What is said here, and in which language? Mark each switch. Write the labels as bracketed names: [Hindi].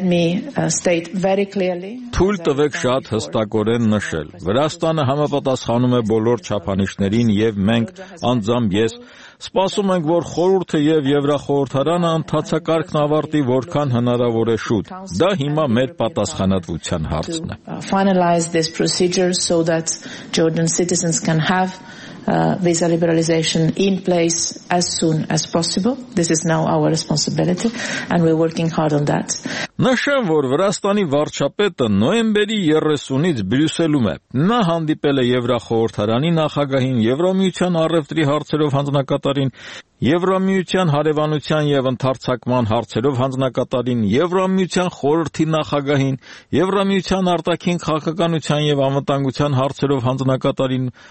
[Armenian] Թույլ տվեք շատ հստակորեն նշել. Վրաստանը համապատասխանում է բոլոր չափանիշներին և մենք անձամբ ես սպասում ենք, որ խորհուրդը և Եվրախորհրդարանը ընթացակարգն ավարտի որքան հնարավոր է շուտ։ Դա հիմա մեր պատասխանատվության հարցն է։ [English] Finalize this procedure so that Jordan citizens can have visa liberalization in place as soon as possible. This is now our responsibility and we're working hard on that. [Armenian] Նշեմ, որ Վրաստանի վարչապետը նոյեմբերի 30-ից Բրյուսելում է։ Նա հանդիպել է Եվրախորհրդարանի նախագահին, Եվրամիության առևտրի հարցերով հանձնակատարին, Եվրամիության հարևանության և ընդարձակման հարցերով հանձնակատարին, Եվրամիության խորհրդի նախագահին, Եվրամիության արտաքին քաղաքականության և անվտանգության հարցերով հանձնակատարին,